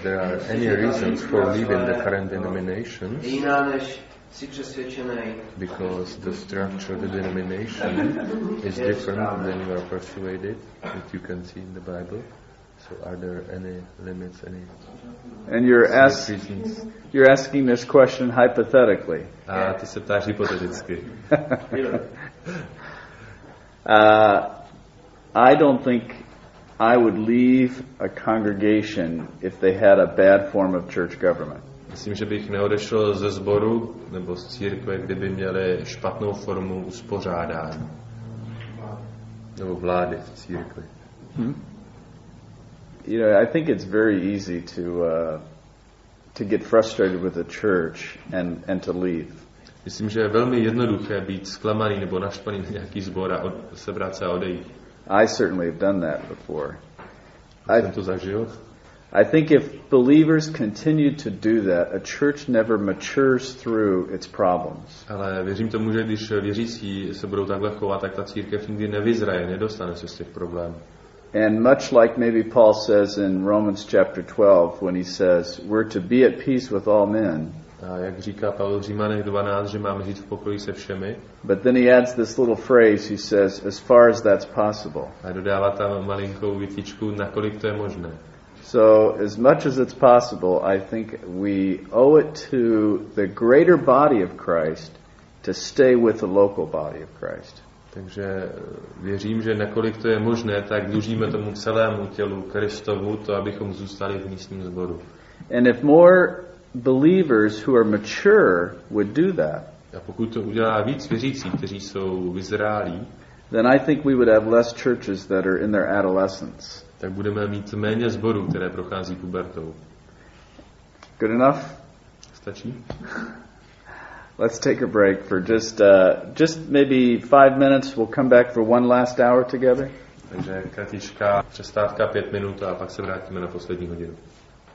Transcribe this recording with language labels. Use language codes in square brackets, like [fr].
[en] There are any reasons for leaving the current denominations. [cs] Jiná než si přesvědčený. [en] Because the structure of the denomination is different than you are persuaded, that you can see in the Bible. So are there any limits, any... And you're asking this question hypothetically. [cs] A ty se ptáš hypoteticky. [en] I don't think I would leave a congregation if they had a bad form of church government. [cs] Myslím, že bych neodešel ze sboru nebo z církve, kdyby měli špatnou formu uspořádání. Nebo vlády v církvi. [en] You know, I think it's very easy to get frustrated with the church and to leave. [cs] Myslím, že je velmi jednoduché být zklamaný nebo naštvaný na nějaký sbor a sebrat se a odejít. [en] I certainly have done that before. [cs] Jsem to zažil. [en] I think if believers continue to do that, a church never matures through its problems. [cs] Ale věřím tomu, že když věřící se budou takhle chovat, tak ta církev nikdy nevyzraje, nedostane se z těch problémů. [en] And much like maybe Paul says in Romans chapter 12 when he says we're to be at peace with all men. [cs] A jak říká Pavel v Římanech 12, že máme žít v pokoji se všemi. [en] But then he adds this little phrase, he says as far as that's possible. [cs] A dodává tam malinkou větičku, nakolik to je možné. [en] So as much as it's possible, I think we owe it to the greater body of Christ to stay with the local body of Christ. [cs] Takže věřím, že nakolik to je možné, tak dlužíme tomu celému tělu Kristovu to, abychom zůstali v místním sboru. [en] And if more believers who are mature would do that. [cs] A pokud to udělá víc věřících, kteří jsou vyzrálí, [en] then I think we would have less churches that are in their adolescence. [cs] Tak budeme mít méně zborů, které prochází pubertou. [en] Good enough? [cs] Stačí? [en] Let's take a break for just maybe 5 minutes. We'll come back for one last hour together. [cs] Takže kratička přestávka 5 minut a pak se vrátíme na poslední hodinu.